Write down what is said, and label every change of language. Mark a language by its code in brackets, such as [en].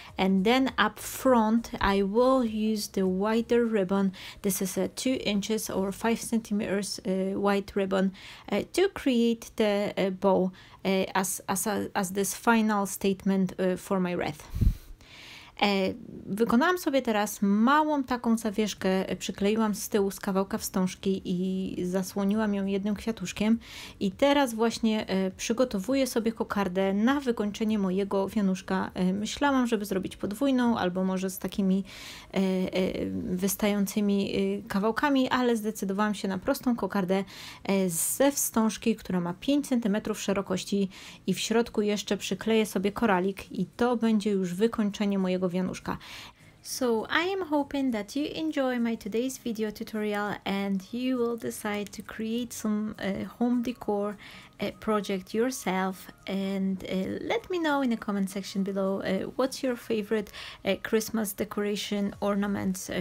[en] And then up front, I will use the wider ribbon. This is a 2 inches or 5 centimeters wide ribbon to create the bow as this final statement for my wreath. [pl] Wykonałam sobie teraz małą taką zawieszkę, przykleiłam z tyłu z kawałka wstążki i zasłoniłam ją jednym kwiatuszkiem i teraz właśnie przygotowuję sobie kokardę na wykończenie mojego wianuszka. Myślałam, żeby zrobić podwójną albo może z takimi wystającymi kawałkami, ale zdecydowałam się na prostą kokardę ze wstążki, która ma 5 cm szerokości i w środku jeszcze przykleję sobie koralik i to będzie już wykończenie mojego wianuszka. [en] So I am hoping that you enjoy my today's video tutorial and you will decide to create some home decor project yourself, and let me know in the comment section below what's your favorite Christmas decoration ornaments.